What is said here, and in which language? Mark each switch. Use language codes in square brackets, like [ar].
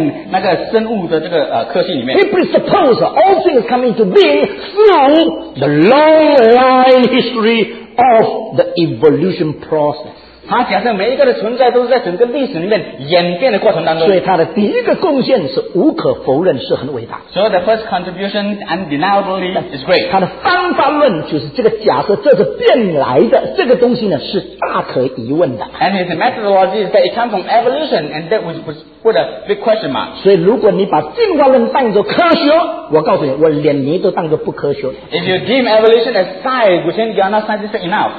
[zh] 那么这个假设的方法在他整个的思想里面用在这个历史过程里面那个生物的这个科学里面 [en] He presupposes all things come into being through the long line history of the evolution process. [zh] 他假设每一个的存在都是在整个历史里面演变的过程当中。所以他的第一个贡献是无可否认是很伟大。 [en] So the first contribution undeniably is great. [zh] 他的方法论就是这个假设，这是变来的，这个东西呢是大可疑问的。And [en] his methodology is that it comes from evolution, and that was put a big question mark. [zh] 所以如果你把进化论当作科学，我告诉你，我连你都当作不科学。If [en] you deem evolution as science, then you are not scientific enough.